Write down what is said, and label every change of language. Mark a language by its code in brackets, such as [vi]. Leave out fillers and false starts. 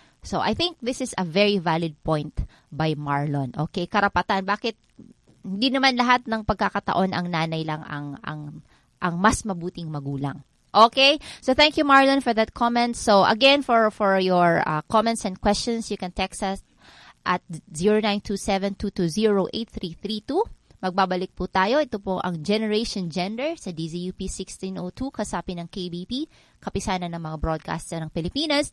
[en] So I think this is a very valid point by Marlon. [tl] Okay, karapatan. Bakit hindi naman lahat ng pagkakataon ang nanay lang ang mas mabuting magulang? [en] Okay, so thank you Marlon for that comment. So again, for your comments and questions, you can text us at 0927-220-8332. [tl] Magbabalik po tayo. Ito po ang Generation Gender sa DZUP 1602, kasapi ng KBP, kapisana ng mga broadcaster ng Pilipinas.